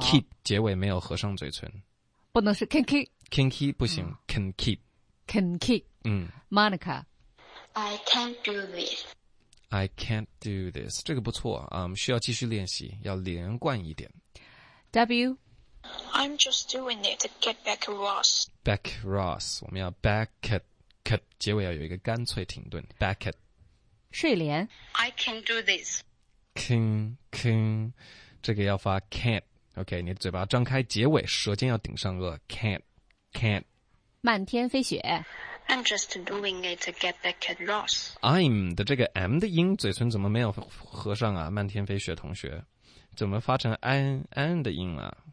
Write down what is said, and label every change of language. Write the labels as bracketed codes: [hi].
[zh] keep 结尾没有合上嘴唇，不能是 kinky。 [en] Kinky [zh] 不行 [en] ，can keep。 Can keep。 Monica。 I can't do this。 I can't do this。 [zh] 这个不错啊， 需要继续练习，要连贯一点。 [en] W, I'm just doing it to get back at Ross. Back Ross, [zh] 我们要 [en] back at, cut, [zh] 结尾要有一个干脆停顿 [en] back at. [zh] 睡莲 [en] I can do this. [zh] Can, 这个要发 can't, OK， 你的嘴巴张开，结尾舌尖要顶上颚。 [en] Can't。 [zh] 漫天飞雪。 [en] I'm just doing it to get back at Ross. [zh] I'm 的这个 M 的音，嘴唇怎么没有合上啊？漫天飞雪同学，怎么发成 N 的音啊？